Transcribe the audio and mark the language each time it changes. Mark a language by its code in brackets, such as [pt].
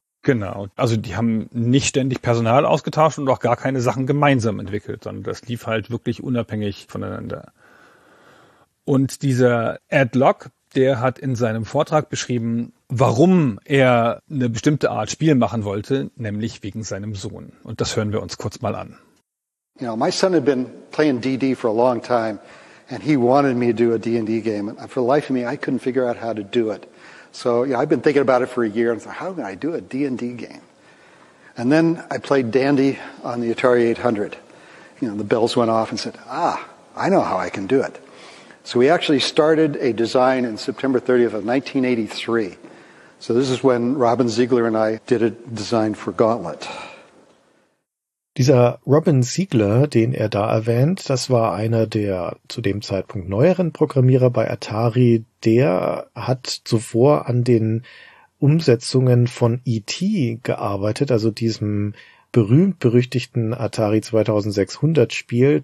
[de] Genau, also die haben nicht ständig Personal ausgetauscht und auch gar keine Sachen gemeinsam entwickelt, sondern das lief halt wirklich unabhängig voneinander. Und dieser Ed Locke, der hat in seinem Vortrag beschrieben, warum er eine bestimmte Art Spiel machen wollte, nämlich wegen seinem Sohn. Und das hören wir uns kurz mal an. [en] You know, my son had been playing DD for a long time. And he wanted me to do a D&D game. And for the life of me, I couldn't figure out how to do it. So, yeah, I've been thinking about it for a year. And thought, how can I do a D&D game? And then I played Dandy on the Atari 800. You know, the bells went off and said, ah, I know how I can do it. So we actually started a design in September 30th of 1983. So this is when Robin Ziegler and I did a design for Gauntlet. [de] Dieser Robin Ziegler, den er da erwähnt, das war einer der zu dem Zeitpunkt neueren Programmierer bei Atari. Der hat zuvor an den Umsetzungen von E.T. gearbeitet, also diesem berühmt-berüchtigten Atari 2600 Spiel.